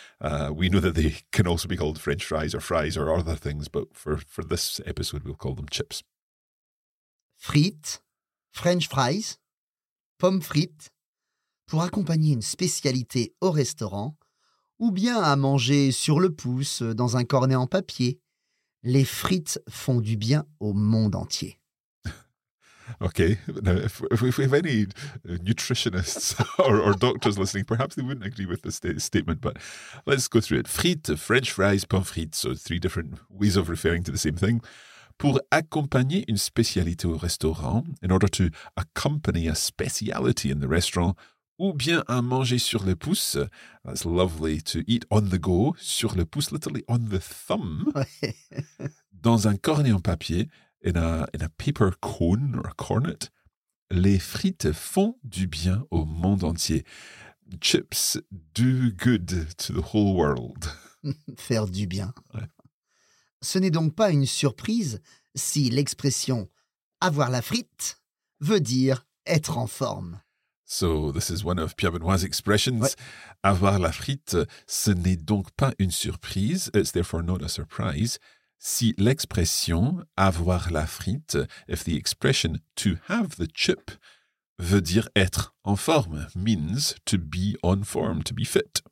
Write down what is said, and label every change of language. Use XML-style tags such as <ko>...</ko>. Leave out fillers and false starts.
<en>We know that they can also be called French fries or other things, but for this episode, we'll call them chips.</en> <fr>Frites, French fries, pommes frites, pour accompagner une spécialité au restaurant, ou bien à manger sur le pouce dans un cornet en papier, les frites font du bien au monde entier.</fr> <en>Okay, now if we have any nutritionists or doctors listening, perhaps they wouldn't agree with this statement, but let's go through it. Frites, French fries, pommes frites, so three different ways of referring to the same thing.</en> <fr>Pour accompagner une spécialité au restaurant,</fr> <en>in order to accompany a speciality in the restaurant,</en> <fr>ou bien à manger sur le pouce,</fr> <en>that's lovely to eat on the go,</en> <fr>sur le pouce,</fr> <en>literally on the thumb,</en> <fr>dans un cornet en papier,</fr> <en>In a paper cone or a cornet,</en> <fr>les frites font du bien au monde entier.</fr> <en>Chips do good to the whole world.</en> <fr>Faire du bien. Ouais. Ce n'est donc pas une surprise si l'expression « avoir la frite » veut dire « être en forme ».</fr> <en>So this is one of Pierre Benoît's expressions.</en> <fr>Ouais. Avoir la frite, ce n'est donc pas une surprise.</fr> <en>It's therefore not a surprise.</en> <fr>Si l'expression « avoir la frite »,</fr> <en>if the expression « to have the chip »</en> <fr>veut dire « être en forme »,</fr> <en>means « to be on form », to be fit.</en>